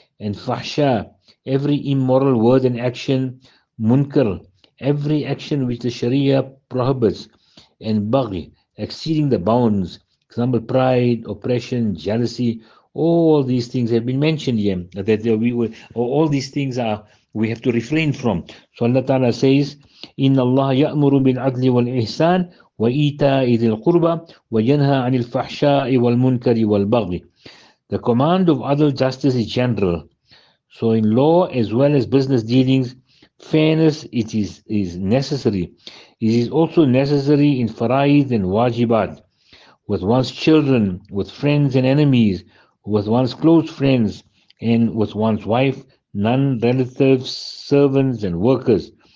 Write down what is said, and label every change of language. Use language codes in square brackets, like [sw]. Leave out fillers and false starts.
[en] And fahsha, every immoral word and action, munkar, every action which the Sharia prohibits, and baghi, exceeding the bounds, example, pride, oppression, jealousy, all these things have been mentioned here, that we will, all these things are, we have to refrain from. So Allah Ta'ala says, [ar] إِنَّ اللَّهَ يَأْمُرُ بِالْعَدْلِ وَالْإِحْسَانِ وَإِيتَاءِ ذِي الْقُرْبَى وَيَنْهَى عَنِ الْفَحْشَاءِ وَالْمُنْكَرِ وَالْبَغْيِ. [en] The command of adl, justice, is general. So in law as well as business dealings, fairness it is necessary. It is also necessary in fara'id and wajibat, with one's children, with friends and enemies, with one's close friends, and with one's wife, non-relatives, servants and workers.